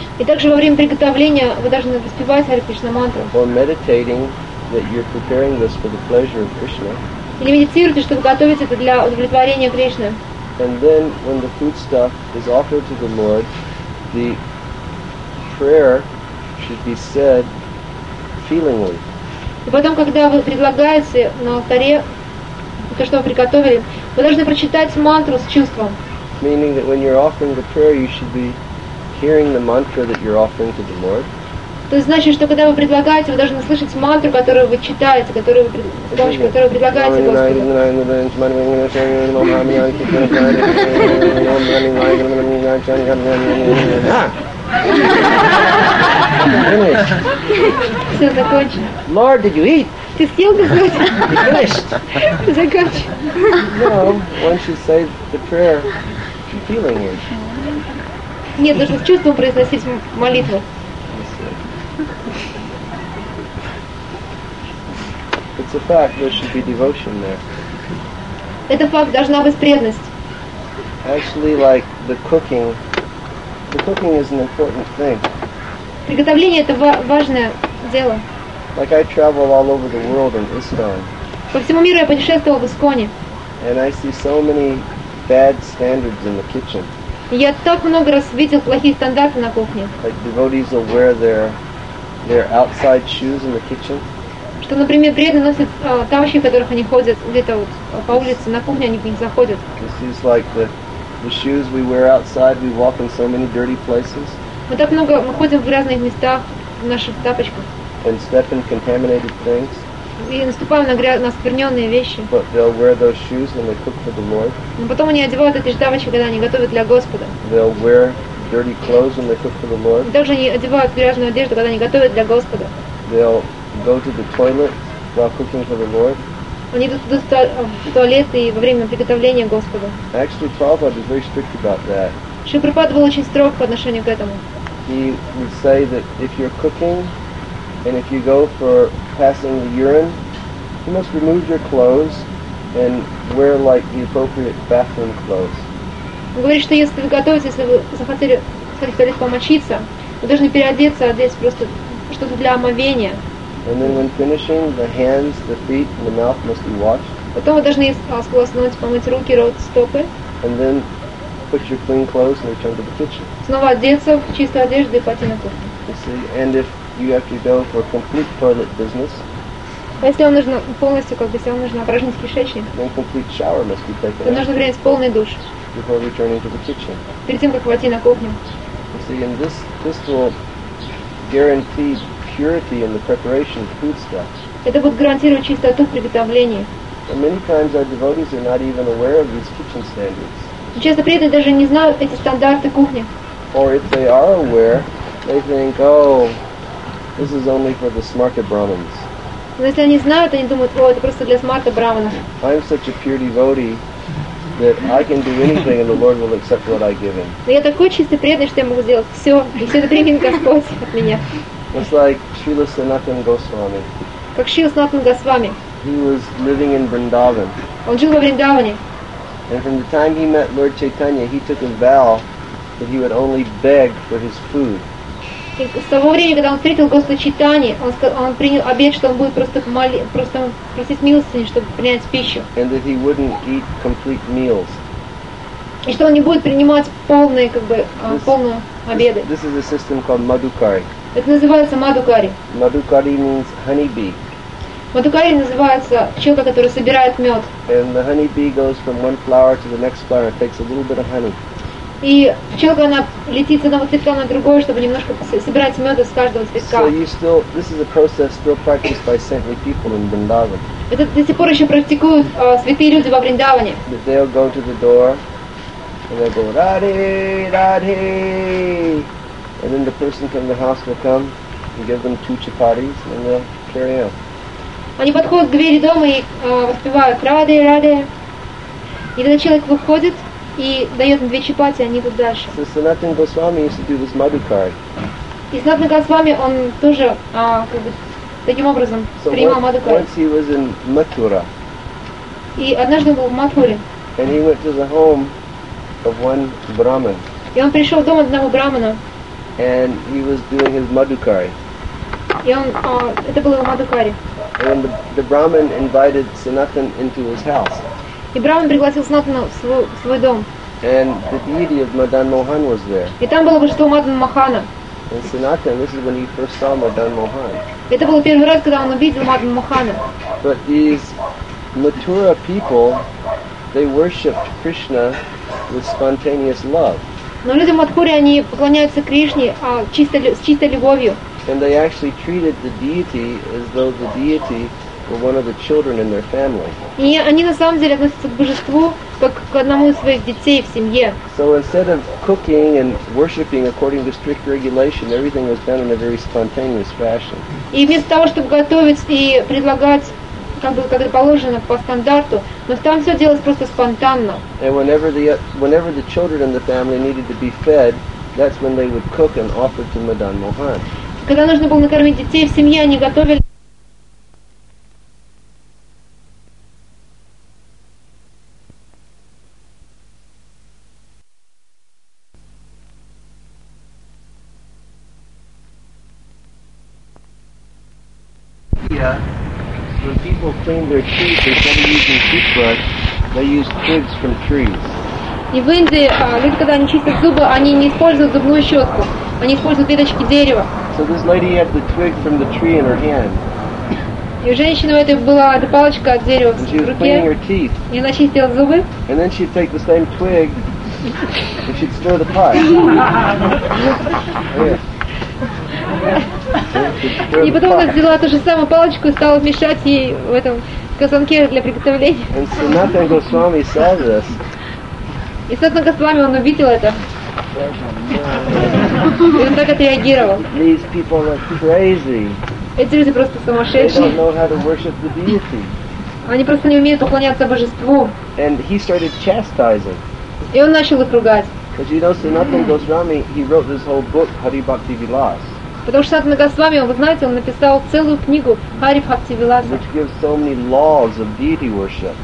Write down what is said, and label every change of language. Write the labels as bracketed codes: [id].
[ru] И также во время приготовления вы должны воспевать Hare Krishna мантру. [en] Or meditating that you're preparing this for the pleasure of Krishna. [ru] Или медитируйте, чтобы готовить это для удовлетворения Кришны. [en] And then when the foodstuff is offered to the Lord, the prayer should be said feelingly. [ru] И потом, когда вы предлагаете на алтаре то, что вы приготовили, вы должны прочитать мантру с чувством. [en] Meaning that when you're offering the prayer, you should be hearing the mantra that you're offering to the Lord. [ru] То есть значит, что когда вы предлагаете, вы должны слышать мантру, которую вы читаете, Все закончено. [en] Lord, did you eat? [ru] Ты съел без мяса? [en] Finished. [ru] Закончено. [en] No, once you say the prayer, you're feeling it. [ru] Нет, нужно с чувством произносить молитву. [en] It's a fact. There should be devotion there. [ru] Это факт. Должна быть преданность. [en] Actually, like the cooking is an important thing. [ru] Приготовление это важное дело. [en] Like I travel all over the world in Iskon. [ru] По всему миру я путешествовал в Исконе. [en] And I see so many bad standards in the kitchen. [ru] Я так много раз видел плохие стандарты на кухне. [en] Like devotees will wear their outside shoes in the kitchen. [ru] Что, например, преданные носят тапочки, в которых они ходят где-то вот по улице, на кухне они в них заходят. [en] This is like the shoes we wear outside. We walk in so many dirty places. [ru] Мы так много мы ходим в разных местах в наших тапочках. [en] And step in contaminated things. [ru] И наступаем на скверненные вещи. [en] But they'll wear those shoes when they cook for the Lord. [ru] Но потом они одевают эти же тапочки, когда они готовят для Господа. [en] They'll wear dirty clothes when they cook for the Lord. [ru] И также они одевают грязную одежду, когда они готовят для Господа. [en] They'll go to the toilet while cooking for the Lord. [ru] Они идут в туалет и во время приготовления Господа. [en] Actually, Prabhupada is very strict about that. [ru] Шри Прабхупада был очень строг по отношению к этому. [en] He would say that if you're cooking and if you go for passing the urine, you must remove your clothes and wear like the appropriate bathroom clothes. [ru] Он говорит, что если вы готовитесь, если вы захотели сходить в туалет помочиться, вы должны переодеться, одеть просто что-то для омовения. [en] And then when finishing, the hands, the feet, and the mouth must be washed. [ru] Потом вы должны сполоснуть, помыть руки, рот, стопы. [en] And then put your clean clothes and return to the kitchen. [ru] Снова одеться в чистую одежду и пойти на кухню. [en] You see, and if you have to go for complete toilet business, [ru] если вам нужно полностью, как бы, если вам нужно опорожнить кишечник, [en] then complete shower must be taken. [ru] Вам нужно принять полный душ. [en] Before returning to the kitchen. [ru] Перед тем, как войти на кухню. [en] You see, and this will guarantee purity in the preparation of foodstuffs. [ru] Это будет гарантировать чистоту в приготовлении. [en] And many times our devotees are not even aware of these kitchen standards. [ru] Часто преданные даже не знают эти стандарты кухни. [en] Or if they are aware, they think, oh, this is only for the smarter Brahmins. [ru] Но если они знают, они думают, о, это просто для смарта Брахманов. [en] I'm such a pure devotee that I can do anything and the Lord will accept what I give him. [ru] Я такой чистый преданный, что я могу сделать все, и все это примет Господь от меня. [en] It's like Srila Sanatana Goswami. [ru] Как Шрила Санатана Госвами. [en] He was living in Vrindavan. [ru] Он жил во Вриндаване. [en] And from the time he met Lord Chaitanya, he took a vow that he would only beg for his food. [ru] И с того времени, когда он встретил Господа Чайтанью, он принял обет, что он будет просто просить милости, чтобы принять пищу. [en] And that he wouldn't eat complete meals. [ru] И что он не будет принимать полные, как бы, полные обеды. [en] This is a system called Madhukari. [ru] Это называется Madhukari. [en] Madhukari means honeybee. [ru] Мадхукари называется пчелка, которая собирает мед. [en] And the honey bee goes from one flower to the next flower, takes a little bit of honey. [ru] И пчелка, она летит с одного цветка на другой, чтобы немножко собирать меда с каждого цветка. [en] So you still, this is a process still practiced by saintly people in Vrindavan. [ru] Это до сих пор еще практикуют святые люди во Вриндаване. [en] They'll go to the door and they'll go Radhe, Radhe, and then the person from the house will come and give them two chapatis and they'll carry on. [ru] Они подходят к двери дома и воспевают Радхе, Радхе. И тогда человек выходит и дает им две чапати, они идут дальше. [en] So Sanatana Goswami used to do this Madhukari. [ru] И Sanatana Goswami, он тоже как бы таким образом принимал Madhukari. [en] Once he was in Mathura. [ru] И однажды он был в Матхуре. [en] And he went to the home of one Brahmin. [ru] И он пришел в дом одного брахмана. [en] And he was doing his Madhukari. [ru] И он, это было его Madhukari. [en] And the Brahmin invited Sanatana into his house. [ru] И Брахман пригласил Санатана в свой дом. [en] And the deity of Madan Mohan was there. [ru] И там было божество Мадан Махана. [en] And Sanatana, this is when he first saw Madan Mohan. [ru] Это был первый раз, когда он увидел Мадан Махана. [en] But these Mathura people, they worshipped Krishna with spontaneous love. [ru] Но люди в Матхуре, они поклоняются Кришне с чистой любовью. [en] And they actually treated the deity as though the deity were one of the children in their family. [ru] И они на самом деле относятся к божеству как к одному из своих детей в семье. [en] So instead of cooking and worshiping according to strict regulation, everything was done in a very spontaneous fashion. [ru] И вместо того, чтобы готовить и предлагать, как бы как положено по стандарту, но там все делалось просто спонтанно. [en] And whenever the children in the family needed to be fed, that's when they would cook and offer to Madan Mohan. [ru] Когда нужно было накормить детей в семье, они готовили. [en] When people clean their teeth, instead of using toothbrush, they use twigs from trees. [ru] И в Индии люди, когда они чистят зубы, они не используют зубную щетку, они используют веточки дерева. [en] So this lady had the twig from the tree in her hand. [ru] И у женщины у этой была эта палочка от дерева в руке. [en] And she was cleaning her teeth. [ru] И она чистила зубы. [en] And then she'd take the same twig and she'd stir the pot. [ru] И потом она взяла ту же самую палочку и стала мешать ей в этом казанке для приготовления. [en] And Sanatana Goswami saw this. [ru] И Sanatana Goswami, он увидел это. И он так отреагировал. [en] These people are crazy. [ru] Эти люди просто сумасшедшие. [en] They don't know how to worship the deity. [ru] Они просто не умеют поклоняться божеству. [en] And he started chastising. [ru] И он начал их ругать. [en] Because you know Sanatana Goswami, he wrote this whole book, Hari Bhakti Vilas. [ru] Потому что Sanatana Goswami, вы знаете, он написал целую книгу Hari Bhakti Vilasa, [en] which gives so many laws of deity worship,